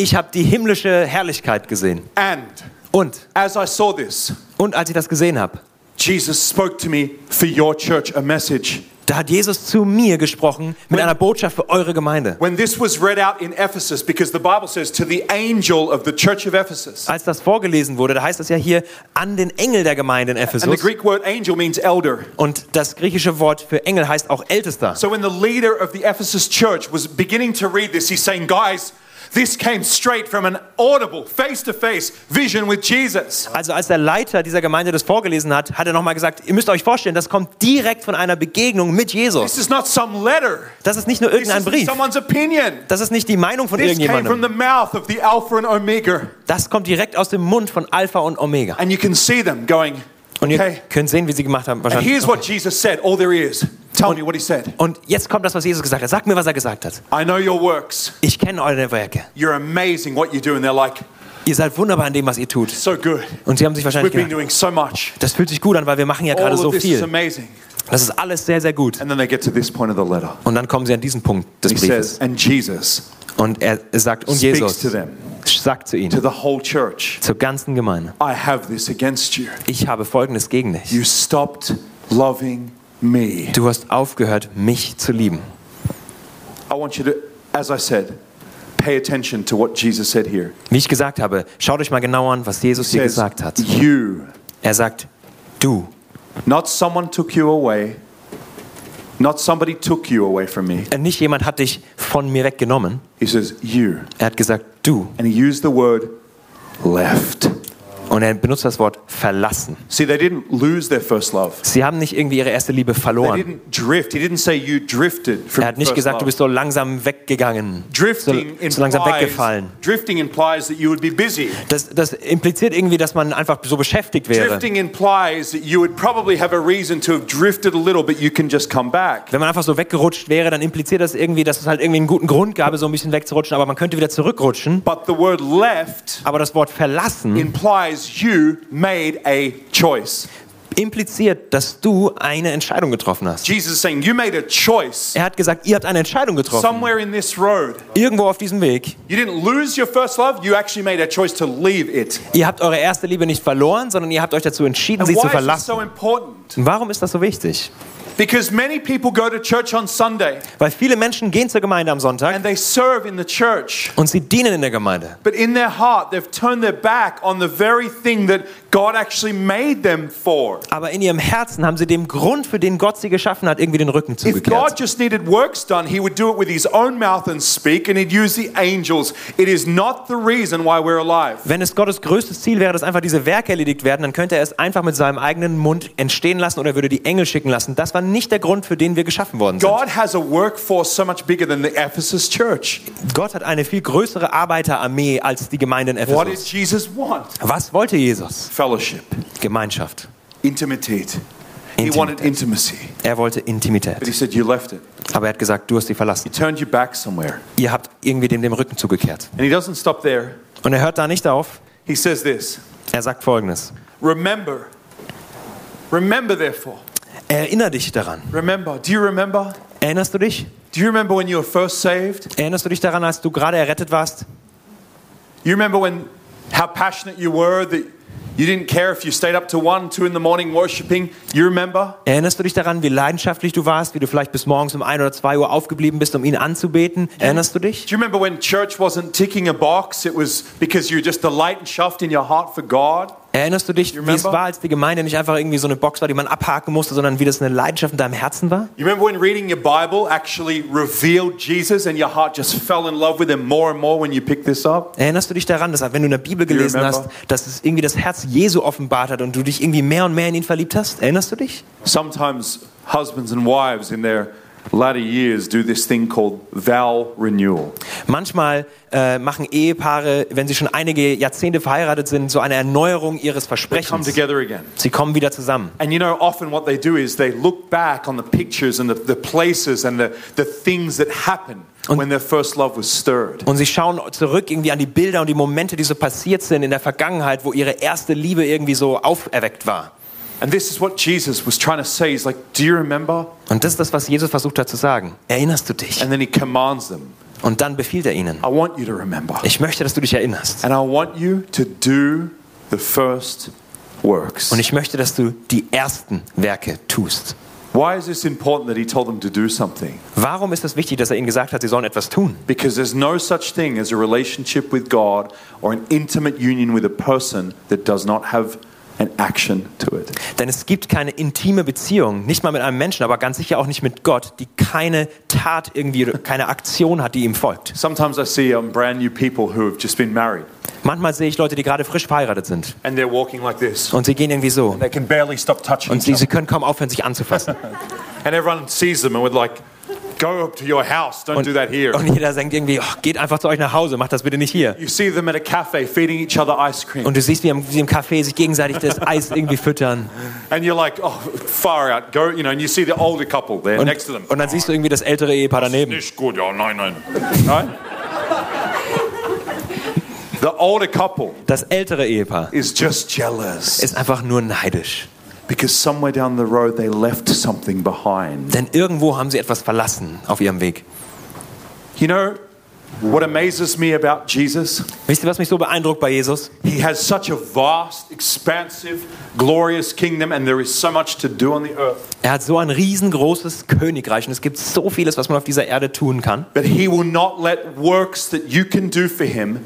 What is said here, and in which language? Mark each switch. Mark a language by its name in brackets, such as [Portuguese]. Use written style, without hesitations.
[German] Ich habe die himmlische Herrlichkeit gesehen. [English] And [German] und [English] as I saw this, [German] und als ich das gesehen habe, [English] Jesus spoke to me for your church a message. [German] Da hat Jesus zu mir gesprochen mit einer Botschaft für eure Gemeinde. [English] When this was read out in Ephesus, because the Bible says to the angel of the church of Ephesus. [German] Als das vorgelesen wurde, da heißt das ja hier an den Engel der Gemeinde in Ephesus. [English] And the Greek word angel means elder. [German] Und das griechische Wort für Engel heißt auch Ältester. [English] So when the leader of the Ephesus church was beginning to read this, he's saying, guys, this came straight from an audible, face-to-face vision with Jesus. [German] Also als der Leiter dieser Gemeinde das vorgelesen hat, hat er nochmal gesagt, ihr müsst euch vorstellen, das kommt direkt von einer Begegnung mit Jesus. [English] This is not some letter. [German] Das ist nicht nur irgendein Brief. [English] This is someone's opinion. [German] Das ist nicht die Meinung von irgendjemandem. [English] This came from the mouth of the Alpha and Omega. [German] Das kommt direkt aus dem Mund von Alpha und Omega. [English] And you can see them going, [German] und ihr könnt sehen, wie sie gemacht haben. [English] And here's what Jesus said, all there is. Tell me what he said. [German] Und jetzt kommt das, was Jesus gesagt hat. Sag mir, was er gesagt hat. [English] I know your works. [German] Ich kenne eure Werke. [English] You're amazing what you do, and they're like, [German] ihr seid wunderbar in dem, was ihr tut. [English] So good. [German] Und sie haben sich wahrscheinlich [English] we've been [German] gedacht, [English] doing so much. [German] Das fühlt sich gut an, weil wir machen ja gerade so viel. [English] All of this is amazing. [German] Das ist alles sehr, sehr gut. [English] And then they get to this point of the letter. [German] Und dann kommen sie an diesen Punkt des Briefes. [English] He says, and Jesus. [German] Und er sagt, und Jesus [English] speaks to them, [German] sagt zu ihnen, [English] to the whole church, [German] zur ganzen Gemeinde, [English] I have this against you. [German] Ich habe Folgendes gegen dich. [English] You stopped loving me. [German] Du hast aufgehört, mich zu lieben. [English] I want you to, as I said, pay attention to what Jesus said here. [German] Wie ich gesagt habe, schaut euch mal genau an, was Jesus hier gesagt hat. [English] You. [German] Er sagt, du. [English] Not someone took you away. Not somebody took you away from me. [German] Nicht jemand hat dich von mir weggenommen. [English] He says, you. [German] Er hat gesagt, du. [English] And he used the word left. [German] Und er benutzt das Wort verlassen. [English] See, they didn't lose their first love. [German] Sie haben nicht irgendwie ihre erste Liebe verloren. [English] They didn't drift. He didn't say you drifted [German] from. Er hat nicht gesagt, du bist so langsam weggegangen. [English] Drifting [German] so langsam weggefallen. [English] Drifting implies that you would be busy. [German] Das impliziert irgendwie, dass man einfach so beschäftigt wäre. [English] Drifting implies that you would probably have a reason to have drifted a little, but you can just come back. [German] Wenn man einfach so weggerutscht wäre, dann impliziert das irgendwie, dass es halt irgendwie einen guten Grund gab, so ein bisschen wegzurutschen, aber man könnte wieder zurückrutschen. [English] But the word left. [German] Aber das Wort verlassen [English] implies you made a choice. [German] Impliziert, dass du eine Entscheidung getroffen hast. [English] Jesus is saying you made a choice. [German] Er hat gesagt, ihr habt eine Entscheidung getroffen. [English] Somewhere in this road. [German] Irgendwo auf diesem Weg. [English] You didn't lose your first love, you actually made a choice to leave it. [German] Ihr habt eure erste Liebe nicht verloren, sondern ihr habt euch dazu entschieden, sie zu verlassen. [English] And why is this so important? [German] Warum ist das so wichtig? [English] Because many people go to church on Sunday. [German] Weil viele Menschen gehen zur Gemeinde am Sonntag. [English] And they serve in the church. [German] Und sie dienen in der Gemeinde. [English] But in their heart they've turned their back on the very thing that God actually made them for. [German] Aber in ihrem Herzen haben sie dem Grund, für den Gott sie geschaffen hat, irgendwie den Rücken zugekehrt. [English] If God just needed works done, he would do it with his own mouth and speak and he'd use the angels. It is not the reason why we're alive. [German] Wenn es Gottes größtes Ziel wäre, dass einfach diese Werke erledigt werden, dann könnte er es einfach mit seinem eigenen Mund entstehen lassen oder würde die Engel schicken lassen. Das war nicht der Grund, für den wir geschaffen worden sind. [English] God has a workforce so much bigger than the Ephesus church. [German] Gott hat eine viel größere Arbeiterarmee als die Gemeinde in Ephesus. [English] What did Jesus want? [German] Was wollte Jesus? [English] Fellowship. [German] Gemeinschaft. Intimität. Intimität. [English] He wanted intimacy. [German] Er wollte Intimität. [English] But he said you left it. [German] Aber er hat gesagt, du hast sie verlassen. [English] He turned you back somewhere. [German] Ihr habt irgendwie dem Rücken zugekehrt. [English] And he doesn't stop there. [German] Und er hört da nicht auf. [English] He says this. [German] Er sagt Folgendes. [English] Remember therefore. [German] Erinner dich daran. [English] Remember, do you remember? [German] Erinnerst du dich? [English] Do you remember when you were first saved? [German] Erinnerst du dich daran, als du gerade errettet warst? [English] You remember when how passionate you were that you didn't care if you stayed up to 1, 2 in the morning worshiping? You remember? [German] Erinnerst du dich daran, wie leidenschaftlich du warst, wie du vielleicht bis morgens 1 oder 2 Uhr aufgeblieben bist, um ihn anzubeten? Erinnerst du dich? [English] Do you remember when church wasn't ticking a box? It was because you just the light and shaft in your heart for God. [German] Erinnerst du dich, wie es war, als die Gemeinde nicht einfach irgendwie so eine Box war, die man abhaken musste, sondern wie das eine Leidenschaft in deinem Herzen war? [English] You remember when reading your Bible actually revealed Jesus and your heart just fell in love with him more and more when you picked this up? [German] Erinnerst du dich daran, dass wenn du eine Bibel gelesen hast, dass es irgendwie das Herz Jesu offenbart hat und du dich irgendwie mehr und mehr in ihn verliebt hast? Erinnerst du dich? [English] Sometimes husbands and wives in their latter years do this thing called vow renewal. [German] Manchmal machen Ehepaare, wenn sie schon einige Jahrzehnte verheiratet sind, so eine Erneuerung ihres Versprechens. [English] They come together again. [German] Sie kommen wieder zusammen. [English] And you know, often what they do is they look back on the pictures and the places and the things that happened. [German] Und [English] when their first love was stirred. [German] Und sie schauen zurück irgendwie an die Bilder und die Momente, die so passiert sind in der Vergangenheit, wo ihre erste Liebe irgendwie so auferweckt war. [English] And this is what Jesus was trying to say. He's like, do you remember? [German] Und das ist das, was Jesus versucht hat zu sagen. Erinnerst du dich? [English] And then he commands them. [German] Und dann befiehlt er ihnen. [English] I want you to remember. [German] Ich möchte, dass du dich erinnerst. [English] And I want you to do the first works. [German] Und ich möchte, dass du die ersten Werke tust. [English] Why is this important that he told them to do something? [German] Warum ist es wichtig, dass er ihnen gesagt hat, sie sollen etwas tun? [English] Because there's no such thing as a relationship with God or an intimate union with a person that does not have an action to it. [German] Denn es gibt keine intime Beziehung, nicht mal mit einem Menschen, aber ganz sicher auch nicht mit Gott, die keine Tat irgendwie, keine Aktion hat, die ihm folgt. [English] Sometimes I see brand new people who have just been married. [German] Manchmal sehe ich Leute, die gerade frisch verheiratet sind. [English] And they're walking like this. [German] Und sie gehen irgendwie so. [English] And they can barely stop touching. [German] Und sie können kaum aufhören, sich anzufassen. [English] And everyone sees them and would like go up to your house. Don't do that here. [German] Und jeder denkt irgendwie, oh, geht einfach zu euch nach Hause. Macht das bitte nicht hier. [English] You see them at a cafe feeding each other ice cream. [German] Und du siehst, wie im Café sich gegenseitig das Eis irgendwie füttern. [English] And you're like, oh, far out. Go, you know. And you see the older couple there [German] und, [English] next to them. [German] Und dann siehst du irgendwie das ältere Ehepaar daneben. Das ist nicht gut, ja, nein. [English] The older couple. [German] Das ältere Ehepaar. [English] Is just jealous. [German] Ist einfach nur neidisch. [English] Because somewhere down the road they left something behind. [German] Denn irgendwo haben sie etwas verlassen auf ihrem Weg. [English] You know what amazes me about Jesus? [German] Wisst ihr, was mich so beeindruckt bei Jesus? [English] He has such a vast, expansive, glorious kingdom and there is so much to do on the earth. [German] Er hat so ein riesengroßes Königreich und es gibt so vieles, was man auf dieser Erde tun kann. [English] But he will not let works that you can do for him.